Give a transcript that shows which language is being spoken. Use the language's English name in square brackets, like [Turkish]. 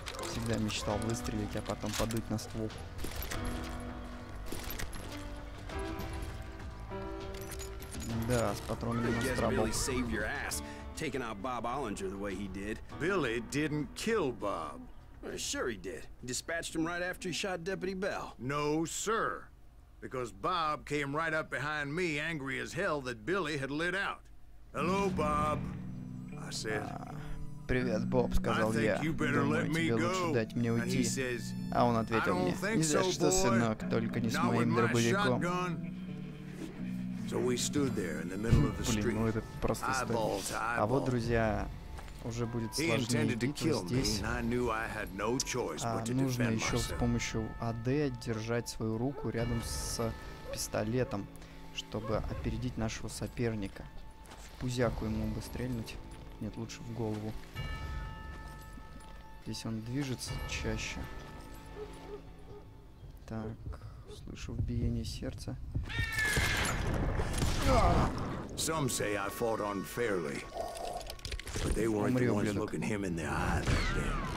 [Russian] Всегда мечтал выстрелить, а потом подуть на ствол. Да, с патронами у нас трабл. [English] Taking out Bob Olinger the way he did. Billy didn't kill Bob. Sure he did. He dispatched him right after he shot Deputy Bell. No, sir. Because Bob came right up behind me, angry as hell that Billy had lit out. Hello, Bob. I said. [Russian] Привет, Боб, сказал я. Думаю, тебе лучше дать мне уйти. А он ответил мне. Ни за что, сынок, только не с моим дробовиком. Блин, ну это просто стыдно. А вот, друзья, уже будет сложнее битву здесь. А нужно еще с помощью АД держать свою руку рядом с пистолетом, чтобы опередить нашего соперника. В пузяку ему бы стрельнуть. Нет, лучше в голову. Здесь он движется чаще. Так, слышу биение сердца. [English] Some say I fought unfairly, but they weren't the ones looking him in the eye that day.